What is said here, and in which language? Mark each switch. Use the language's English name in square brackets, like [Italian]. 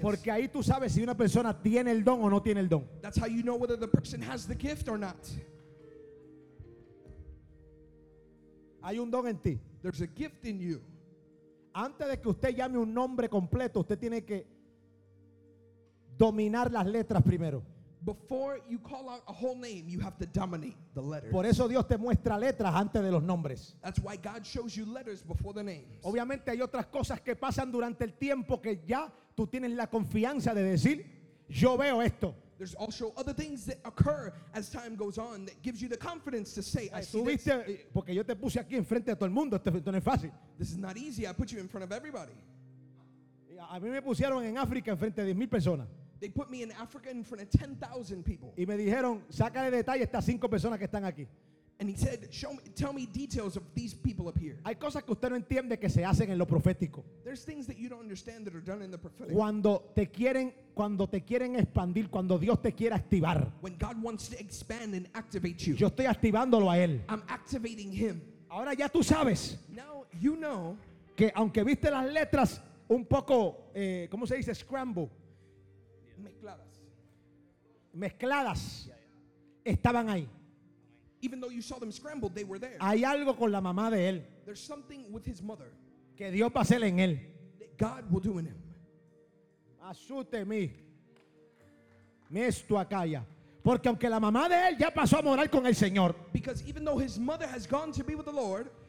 [Spanish] Porque ahí tú sabes si una persona tiene el don o no tiene el don. [English] That's how you know whether the person has the gift or not. [Spanish] Hay un don en ti. [English] There's a gift in you. [Spanish] Antes de que usted llame un nombre completo, usted tiene que dominar las letras primero. [English] Before you call out a whole name, you have to dominate the letters. [Spanish] Por eso Dios te muestra letras antes de los nombres. [English] That's why God shows you letters before the names. [Spanish] Obviamente hay otras cosas que pasan durante el tiempo que ya tú tienes la confianza de decir, yo veo esto. [English] There's also other things that occur as time goes on that gives you the confidence to say, I see this. [Spanish] Porque yo te puse aquí enfrente de todo el mundo, esto no es fácil. [English] This is not easy. I put you in front of everybody. [Spanish] A mí me pusieron en África enfrente de 10,000 personas. [English] They put me in Africa in front of 10,000 people. [Spanish] Y me dijeron, sácale detalle a estas 5 personas que están aquí. [English] And he said, tell me details of these people up here. [Spanish] Hay cosas que usted no entiende que se hacen en lo profético. [English] There's things that you don't understand that are done in the prophetic. [Spanish] Cuando te quieren expandir, cuando Dios te quiere activar. [English] When God wants to expand and activate you. [Spanish] Yo estoy activándolo a él. [English] I'm activating him. [Spanish] Ahora ya tú sabes. [English] Now you know. [Spanish] Que aunque viste las letras un poco, ¿cómo se dice? [English] Scramble. [Spanish] Mezcladas. Estaban ahí. [English] Even though you saw them scrambled, they were there. [Spanish] Hay algo con la mamá de él. [English] There's something with his mother. [Spanish] Que Dios va a hacer en él. [English] That God will do in him. Asúteme. Me esto acalla. [Spanish] Porque aunque la mamá de él ya pasó a morar con el Señor. [English] Because even though his mother has gone to be with the Lord.